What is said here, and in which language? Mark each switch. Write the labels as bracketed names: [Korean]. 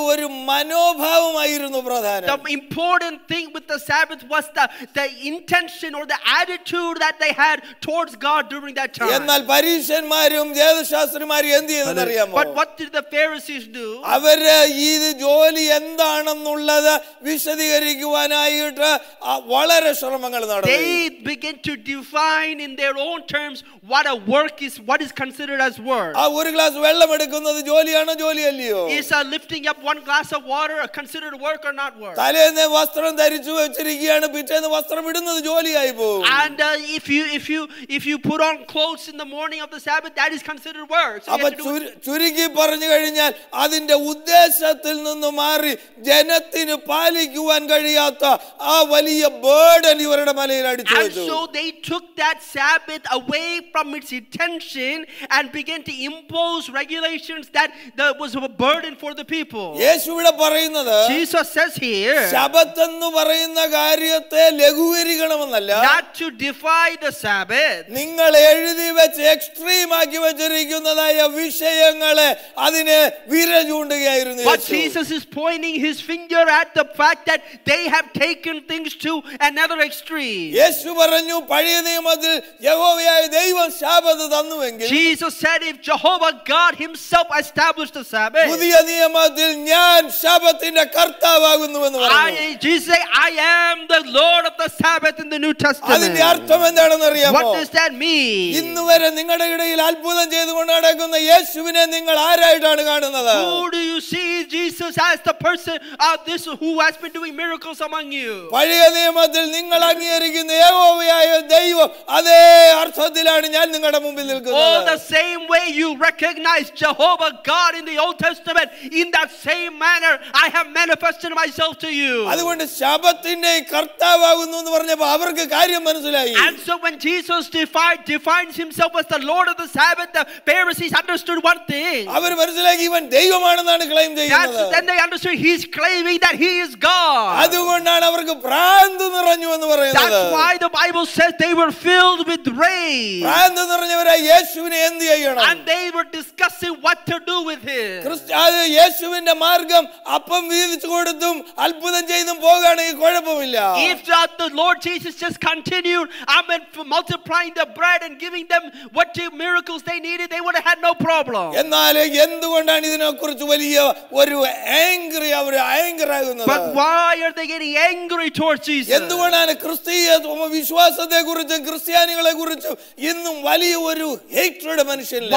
[English] The important thing with the Sabbath was the intention or the attitude that they had towards God during that time. [Malayalam] എന്നാൽ പരീശന്മാരും ദേവശാസ്ത്രിമാരും എന്ത് ചെയ്തെന്നറിയാമോ? [English] But what did the Pharisees do? [Malayalam] അവർ ഈ ജോലി എന്താണെന്നുള്ളത് വിശദീകരിക്കുവാൻ ആയിട്ട് വളരെ ശ്രമങ്ങൾ നടത്തി. [English] They begin to define in their own terms what a work is, what is considered as work. [Malayalam] ആ ഒരു ഗ്ലാസ് വെള്ളം എടുക്കുന്നത് ജോലിയാണോ ജോലിയല്ലയോ? [English] Is lifting up one glass of water considered work or not work? [Malayalam] തലേന്ന് വസ്ത്രം ധരിച്ചു വെച്ചിരിക്കുകയാണ് പിറ്റേന്ന് വസ്ത്രം ഇടുന്നത് ജോലിയായി പോകും. [English] And if you put on clothes in the morning of the Sabbath, that is considered work. [Malayalam] അപ്പൊ ചുരുക്കി പറഞ്ഞു കഴിഞ്ഞാൽ അതിന്റെ ഉദ്ദേശത്തിൽ നിന്ന് മാറി ജനത്തിന് പാലിക്കുവാൻ കഴിയാത്ത ആ വലിയ ബേർഡൻ ഇവരുടെ മലയിൽ അടിച്ചു വെച്ചു. [English] And so they took that Sabbath away from its intention and began to impose regulations that was a burden for the people. [Malayalam] യേശു ഇവിടെ പറയുന്നത് [English] Jesus says here [Malayalam] ശബത്ത് എന്ന് പറയുന്ന കാര്യത്തെ ലഘൂകരിക്കണമെന്നല്ല. [English] Not to defy the Sabbath. [Malayalam] നിങ്ങൾ എഴുതി വെച്ച് എക്സ്ട്രീം ആക്കി വെച്ചിരിക്കുന്നതായ വിഷയങ്ങളെ അതിനെ വിര ചൂണ്ടുകയായിരുന്നു. [English] But Jesus is pointing his finger at the fact that they have taken things to another extreme. [Malayalam] യേശു പറഞ്ഞു പഴയ നിയമത്തിൽ യഹോവയായ ദൈവം Shabbat തന്നുവെങ്കിൽ. [English] Jesus said if Jehovah God himself established the Sabbath. [Malayalam] പുതിയ നിയമത്തിൽ ഞാൻ ശാബത്തിന്റെ കർത്താവാകുന്നു എന്ന് പറഞ്ഞു. [English] Jesus said I am the Lord of the Sabbath in the New Testament. [Malayalam] അതിന്റെ അർത്ഥം എന്താണെന്ന് അറിയാമോ? [English] What does that mean? [Malayalam] ഇന്നുവരെ നിങ്ങളുടെ ഇടയിൽ അത്ഭുതം ചെയ്തുകൊണ്ട് നടക്കുന്ന യേശുവിനെ നിങ്ങൾ ആരായിട്ടാണ് കാണുന്നത്? [English] Who do you see Jesus as the person of this who has been doing miracles among you? [Malayalam] പഴയ നിയമത്തിൽ നിങ്ങൾ അംഗീകരിക്കുന്ന യഹോവയായ ദൈവം അതേ അർത്ഥത്തിലാണ് ഞാൻ നിങ്ങളുടെ മുമ്പിൽ നിൽക്കുന്നത്. [English] All the same way you recognize Jehovah God in the Old Testament, in that same manner I have manifested myself to you. [Malayalam] അതുകൊണ്ട് ശബത്തിന്റെ കർത്താവാകുന്നു എന്ന് പറഞ്ഞപ്പോൾ അവർക്ക് കാര്യം മനസ്സിലായി. [English] And so when Jesus defines himself as the Lord of the Sabbath, the Pharisees understood one thing. [Malayalam] അവർ മനസ്സിലാക്കി ഇവൻ ദൈവമാണെന്നാണ് claim ചെയ്യുന്നത്. [English] Then they understood he's claiming that he is God. [Malayalam] അതുകൊണ്ടാണ് അവർക്ക് ഭ്രാന്ത് നിറഞ്ഞു എന്ന് പറയുന്നത്. [English] That's why the Bible says they were filled with rage. [Malayalam] ഭ്രാന്ത് നിറഞ്ഞവരായി യേശുവിനെ എന്ത് ചെയ്യണം? [English] And they were discussing what to do with him. [Malayalam] ക്രിസ്തു യേശുവിന്റെ മാർഗം അപ്പം വീതിച്ചു കൊടുത്തും അത്ഭുതം ചെയ്തും പോകുകയാണെങ്കിൽ കുഴപ്പമില്ല. [English] If the Lord Jesus just continued and multiplying the bread and giving them what the miracles they needed, they would have had no problem. [Malayalam] എന്നാലേ എന്തുകൊണ്ടാണ് ഇതിനെക്കുറിച്ച് വലിയ ഒരു angry അവർ angry ആകുന്നത്? [English] But why are they getting angry towards Jesus? [Malayalam] എന്തുകൊണ്ടാണ് ക്രിസ്തീയത്വം വിശ്വാസത്തെക്കുറിച്ചും ക്രിസ്ത്യാനികളെക്കുറിച്ചും ഇന്നും വലിയ ഒരു hatred മനുഷ്യരില്ല?